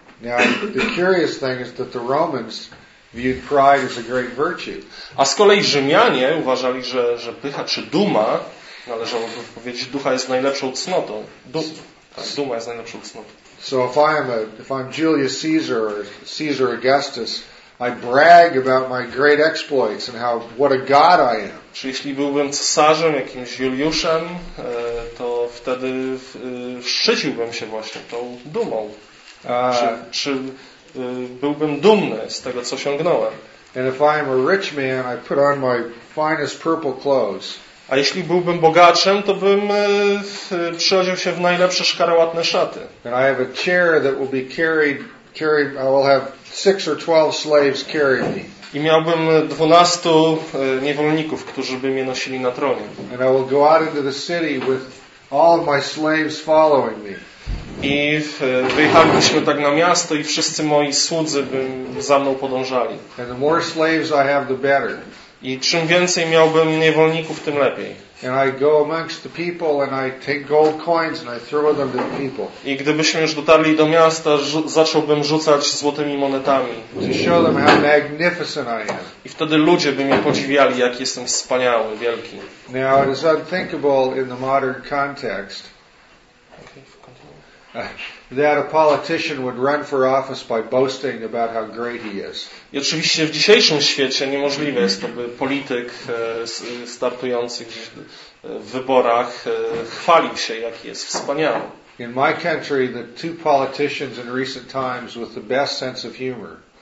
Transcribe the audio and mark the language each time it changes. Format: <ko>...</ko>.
<en>Now, the curious thing is that the Romans viewed pride as a great virtue.</en> <pl>A z kolei Rzymianie uważali, że pycha czy duma, należałoby powiedzieć, ducha jest najlepszą cnotą. Duma jest najlepszą cnotą.</pl> <en>So if I'm Julius Caesar or Caesar Augustus, I brag about my great exploits and how what a god I am.</en> <pl>Czy jeśli byłbym cesarzem, jakimś Juliuszem, to wtedy szczyciłbym się właśnie tą dumą. Czy byłbym dumny z tego, co osiągnąłem?</pl> <en>And if I am a rich man, I put on my finest purple clothes.</en> <pl>A jeśli byłbym bogaczem, to bym przyodział się w najlepsze szkarłatne szaty.</pl> <en>And I have a chair that will be carried. I will have 6 or 12 slaves carry me.</en> <pl>I miałbym 12 niewolników, którzy by mnie nosili na tronie.</pl> <en>And I will go out into the city with all of my slaves following me.</en> <pl>I wyjechaliśmy tak na miasto i wszyscy moi słudzy by za mną podążali.</pl> <en>And the more slaves I have, the better.</en> <pl>I czym więcej miałbym niewolników, tym lepiej.</pl> <en>And I go amongst the people and I take gold coins and I throw them to the people.</en> <pl>I gdybyśmy już dotarli do miasta, zacząłbym rzucać złotymi monetami.</pl> <en>To show them how magnificent I am.</en> <pl>I wtedy ludzie by mnie podziwiali, jak jestem wspaniały, wielki.</pl> <en>Now it is unthinkable in the modern context that a politician would run for office by boasting about how great he is.</en> <pl>I oczywiście w dzisiejszym świecie niemożliwe jest, aby polityk startujący gdzieś w wyborach chwalił się, jaki jest wspaniały.</pl> <en>In my country, the two politicians in recent times with the best sense of humor.</en>